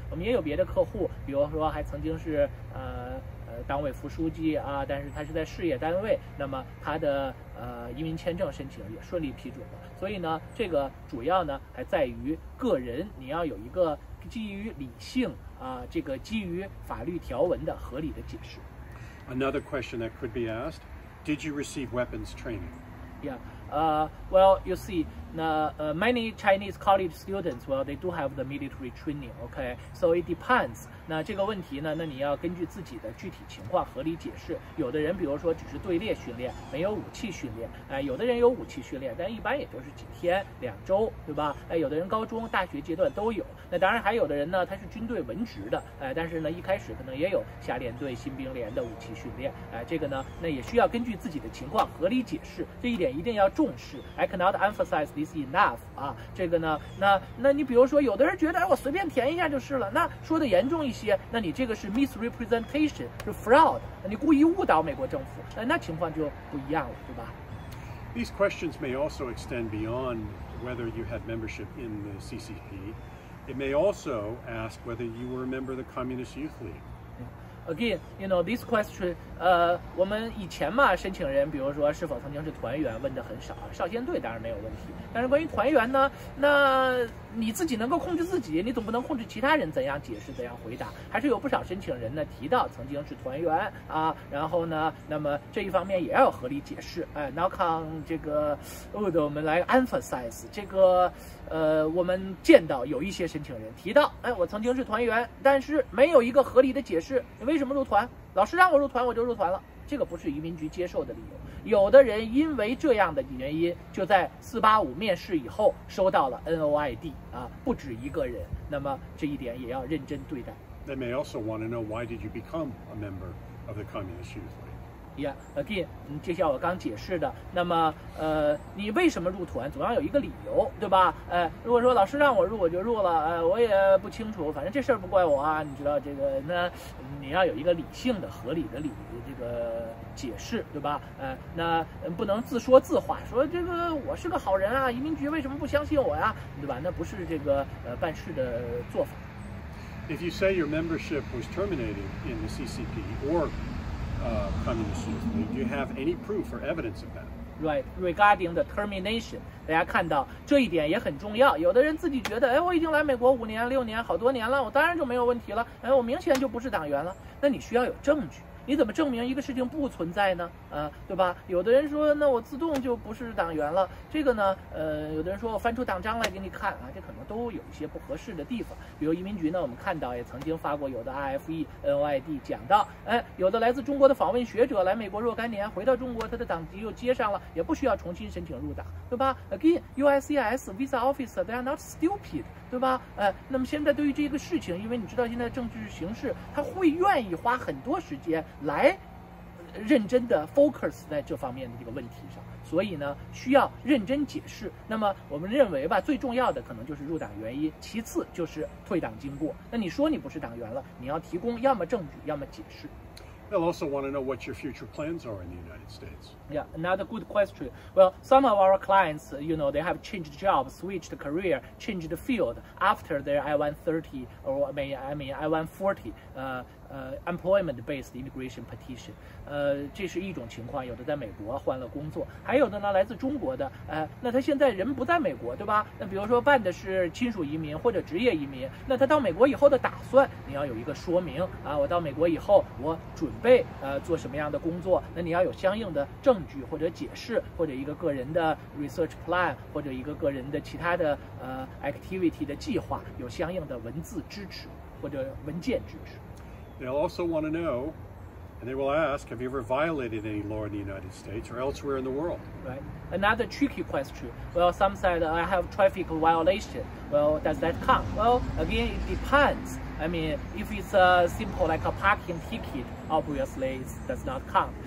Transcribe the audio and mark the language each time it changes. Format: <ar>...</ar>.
<zh>我们也有别的客户，比如说还曾经是党委副书记啊，但是他是在事业单位，那么他的移民签证申请也顺利批准了。所以呢，这个主要呢还在于个人，你要有一个基于理性啊，这个基于法律条文的合理的解释。</zh> <en>Another question that could be asked: Did you receive weapons training? Yeah. Well, you see. Many Chinese college students, well, they do have the military training, okay? So it depends.</en> <zh>那这个问题呢，那你要根据自己的具体情况合理解释。有的人比如说只是队列训练，没有武器训练，有的人有武器训练，但一般也就是几天两周，对吧？有的人高中大学阶段都有。那当然还有的人呢，他是军队文职的，但是呢一开始可能也有下连队新兵连的武器训练，这个呢那也需要根据自己的情况合理解释，这一点一定要重视。</zh> <en>I cannot emphasize this enough</en> <zh>啊，这个呢那你比如说有的人觉得，哎，我随便填一下就是了，那说的严重一些，那你这个是 misrepresentation， 是 fraud， 你故意误导美国政府，那情况就不一样了，对吧？</zh> <en>These questions may also extend beyond whether you had membership in the CCP. It may also ask whether you were a member of the Communist Youth League. Again, you know, this question,</en> <zh>我们以前嘛，申请人比如说是否曾经是团员问的很少，少先队当然没有问题，但是关于团员呢，那你自己能够控制自己，你总不能控制其他人怎样解释怎样回答，还是有不少申请人呢提到曾经是团员啊，然后呢那么这一方面也要有合理解释。</zh> <en>Now come</en> <zh>这个 Wood， 我们来 emphasize 这个，我们见到有一些申请人提到，我曾经是团员，但是没有一个合理的解释为什么入团，老师让我入团我就入团了，这个不是移民局接受的理由。有的人因为这样的原因就在485面试以后收到了 NOID 啊，不止一个人，那么这一点也要认真对待。</zh> <en>They may also want to know why did you become a member of the Communist Youth League. Yeah, again,</en> <zh>就像我刚解释的，那么你为什么入团总要有一个理由，对吧？如果说老师让我入我就入了，我也不清楚，反正这事儿不怪我啊，你知道这个，那你要有一个理性的合理的理由，这个解释，对吧？那不能自说自话，说这个我是个好人啊，移民局为什么不相信我呀，对吧？那不是这个办事的做法。</zh> <en>If you say your membership was terminated in the CCP or Communist Youth League, do you have any proof or evidence of that? Right, regarding the termination.</en> <zh>大家看到这一点也很重要，有的人自己觉得，我已经来美国五年六年好多年了，我当然就没有问题了，我明显就不是党员了，那你需要有证据，你怎么证明一个事情不存在呢？对吧？有的人说那我自动就不是党员了，这个呢有的人说我翻出党章来给你看啊，这可能都有一些不合适的地方。比如移民局呢，我们看到也曾经发过有的 RFE NOID 讲到，有的来自中国的访问学者来美国若干年回到中国，他的党籍又接上了，也不需要重新申请入党，对吧？</zh> <en>Again, USCIS Visa Officer, they are not stupid,</en> <zh>对吧？那么现在对于这个事情，因为你知道现在政治形势，他会愿意花很多时间来认真的 focus 在这方面的这个问题上，所以呢需要认真解释。那么我们认为吧，最重要的可能就是入党原因，其次就是退党经过。那你说你不是党员了，你要提供要么证据要么解释。</zh> <en>They'll also want to know what your future plans are in the United States. Yeah, another good question. Well, some of our clients, you know, they have changed jobs, switched career, changed field after their I-130 or I-140 employment-based immigration petition.</en> <zh>这是一种情况，有的在美国换了工作，还有的呢来自中国的，那他现在人不在美国，对吧？那比如说办的是亲属移民或者职业移民，那他到美国以后的打算你要有一个说明啊，我到美国以后我准备做什么样的工作，那你要有相应的证据或者解释，或者一个个人的 research plan， 或者一个个人的其他的activity 的计划，有相应的文字支持或者文件支持。</zh> <en>They'll also want to know, and they will ask, have you ever violated any law in the United States or elsewhere in the world? Right. Another tricky question. Well, some said I have traffic violation. Well, does that count? Well, again, it depends. I mean, if it's simple like a parking ticket, obviously it does not count.</en>